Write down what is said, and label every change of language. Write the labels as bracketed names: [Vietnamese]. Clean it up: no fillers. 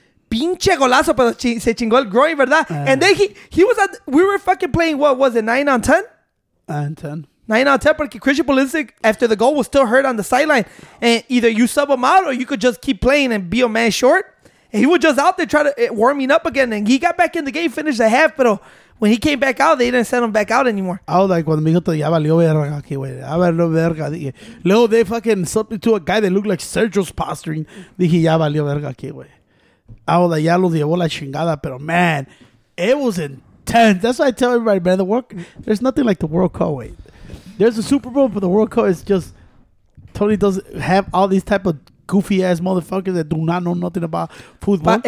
[Spanish] Pinche golazo, pero se chingó el groin, ¿verdad? [English] And then he was at, we were fucking playing, what was it, 9 on 10? 9 on 10, porque Christian Pulisic, after the goal, was still hurt on the sideline. And either you sub him out or you could just keep playing and be a man short. And he was just out there trying to warming up again. And he got back in the game, finished the half, pero when he came back out, they didn't send him back out anymore. I was like, [Spanish] cuando me dijo, ya valió verga aquí, güey. Ya valió verga. Dije, luego [English] they fucking slipped into a guy that looked like Sergio's posturing. [Spanish] Dije, ya valió verga aquí, güey. [English] I was like, [Spanish] ya lo llevó la chingada, pero [English] man, it was intense. That's why I tell everybody, man, the work, there's nothing like the World Cup, güey. There's a Super Bowl, but the World Cup is just, Tony doesn't have all these type of goofy-ass motherfuckers that do not know nothing about football.